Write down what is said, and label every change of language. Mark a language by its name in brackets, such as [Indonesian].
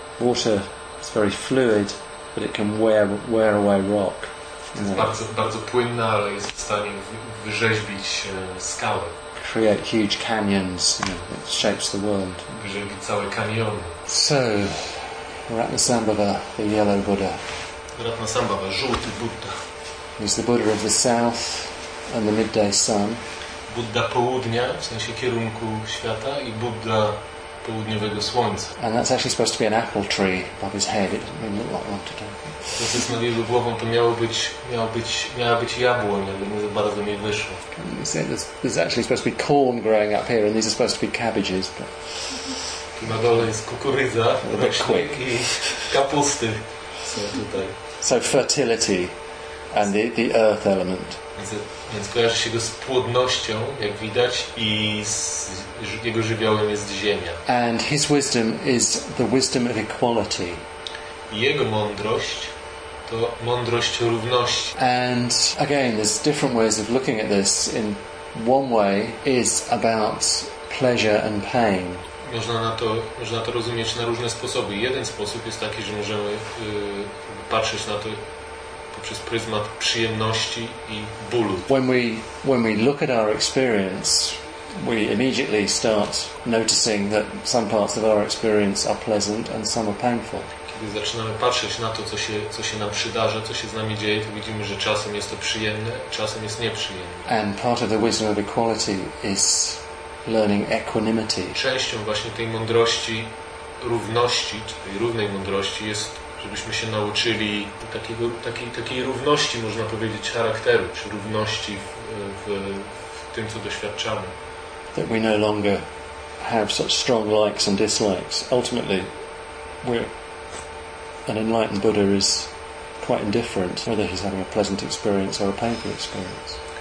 [English] Water is very fluid, but it can wear away rock. [Polish] Jest bardzo, bardzo płynna, ale jest w stanie wyrzeźbić skały. [English] Create huge canyons, you know, it shapes the world. [Polish] Wyrzeźbić całe kaniony. [English] So, Ratnasambhava, the yellow Buddha. [Polish] Ratnasambhava, żółty Buddha. [English] He's the Buddha of the south and the midday sun. [Polish] Buddha południa, w sensie kierunku świata, i Buddha południowego słońca. [English] And that's actually supposed to be an apple tree above his head. It didn't look like one today. [Polish] To jest nad jego głową, to miała być jabłoń, ale nie za bardzo mi wyszło. [English] There's actually supposed to be corn growing up here, and these are supposed to be cabbages. But... [Polish] Tu na dole jest kukurydza, roślinki i kapusty są tutaj. [English] So fertility and the earth element. [Polish] Więc kojarzy się go z płodnością, jak widać, i z jego żywiołem jest ziemia. [English] And his wisdom is the wisdom of equality. [Polish] Jego mądrość to mądrość równości. [English] And again, there's different ways of looking at this. In one way is about pleasure and pain. [Polish] Można to rozumieć na różne sposoby. Jeden sposób jest taki, że możemy patrzeć na to poprzez pryzmat przyjemności i bólu. [English] When we look at our experience, we immediately start noticing that some parts of our experience are pleasant and some are painful. [Polish] Kiedy zaczynamy patrzeć na to, co się nam przydarza, co się z nami dzieje, to widzimy, że czasem jest to przyjemne, czasem jest nieprzyjemne. [English] And part of the wisdom of equality is learning equanimity. [Polish] Częścią właśnie tej mądrości równości, tej równej mądrości, jest, żebyśmy się nauczyli takiej równości, można powiedzieć, charakteru, czy równości w tym, co doświadczamy. [English] That we no longer have such strong likes and dislikes. Ultimately, an enlightened Buddha is quite indifferent whether he's having a pleasant experience or a painful experience.